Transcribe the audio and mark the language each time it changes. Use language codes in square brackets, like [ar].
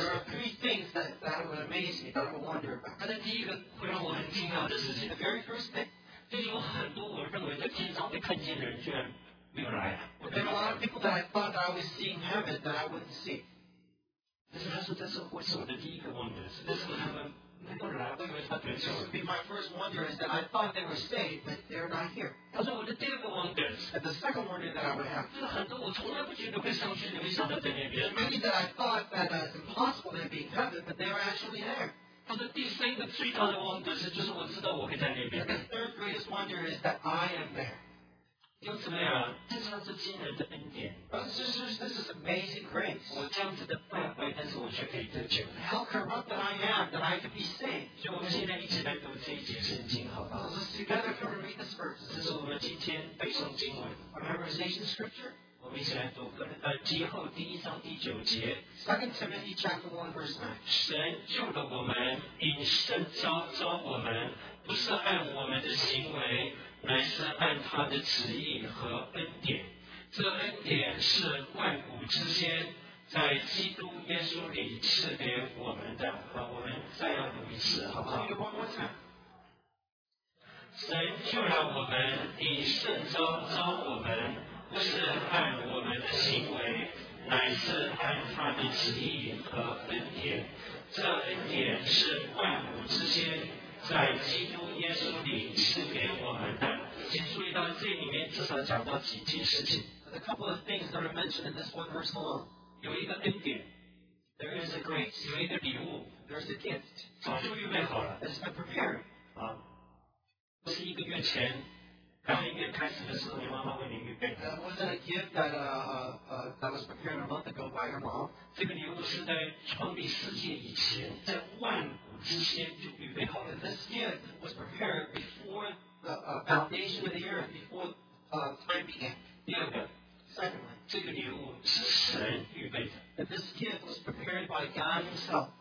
[en] There are three things that would amaze me, that I would wonder about. [zh] 但是第一个会让我很惊讶的事情。 [en] The very first thing. [zh] 就是有很多我认为在天上会看见的人居然没有来。 [en] There are a lot of people that I thought I would see in heaven that I wouldn't see. [zh] 但是他说这是我的第一个 wonder. 但是他们没有来，我以为他得救了。 [en] My first wonder is that I thought they were saved, but they're not here. [zh] 他说我的第二个 wonder, [en] and the second wonder that I would have, [zh] 就是很多我从来不觉得会上去，你会想到在那边。 [en] Many that I thought that it's impossible they'd be in heaven, but they're actually there. [zh] 他说第三个最大的 wonder 是，就是我知道我会在那边。 [en] The third greatest wonder is that I am there. [zh] 弟兄姊妹啊，这是他惊人的恩典。 [en] This is amazing grace. [zh] 我这样子的败坏，但是我却可以得救。 [en] How corrupt that I am, that I could be saved. [zh] 所以我们现在一起来读这一节圣经，好不好？ [en] Let's together come and read this verse. [zh] 这是我们今天背诵经文。 [en] A memorization scripture. [zh] 我们一起来读提后第一章第九节。 [en] Second Timothy chapter 1 verse 9. [zh] 神救了我们，因圣召召我们，不是按我们的行为。乃是按他的旨意和恩典，这恩典是万古之先，在基督耶稣里赐给我们的。好，我们再要读一次，好不好？神就让我们以圣召召我们，不是按我们的行为，乃是按他的旨意和恩典，这恩典是万古之先。在基督耶稣里赐给我们的，请注意到这里面至少讲到几件事情。 [en] A couple of things that are mentioned in this one verse alone. [zh] 有一个恩典。 [en] There is a grace. [zh] 有一个礼物。 [en] There's a gift. [zh] 早就预备好了。 [en] It's been prepared. [zh] 啊，不是一个月前，刚一月开始的时候，你妈妈为你预备的。 [en] Was it a gift that was prepared a month ago by your mom? [zh] 这个礼物是在创立世界以前，在万。之前就预备好了。 [en] This gift was prepared before the foundation of the earth, before time began. [zh] 第二个 [en] ，secondly， [zh] 这个礼物是神预备的。 [en] And this gift was prepared by God Himself.